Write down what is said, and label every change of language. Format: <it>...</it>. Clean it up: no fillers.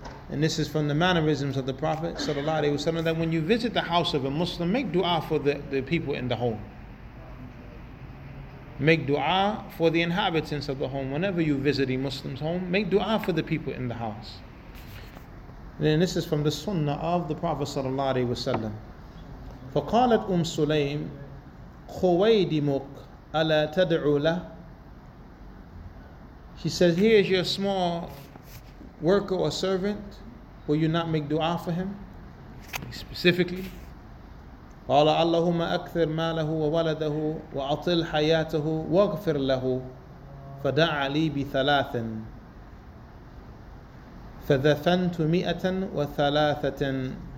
<en>And this is from the mannerisms of the Prophet sallallahu alaihi wasallam, that when you visit the house of a Muslim, make dua for the people in the home. Make dua for the inhabitants of the home. Whenever you visit a Muslim's home, make dua for the people in the house. And this is from the sunnah of the Prophet sallallahu alaihi wasallam.</en> <ar>فَقَالَتْ سُلَيْمٍ خويدمك ألا تدعو له.</ar> <en>He says, here is your small worker or servant, will you not make dua for him? Specifically,</en> <ar>قال اللهم أكثر ماله وولده وأطل حياته واغفر له فدعا لي بثلاث فدفنت 103.</ar>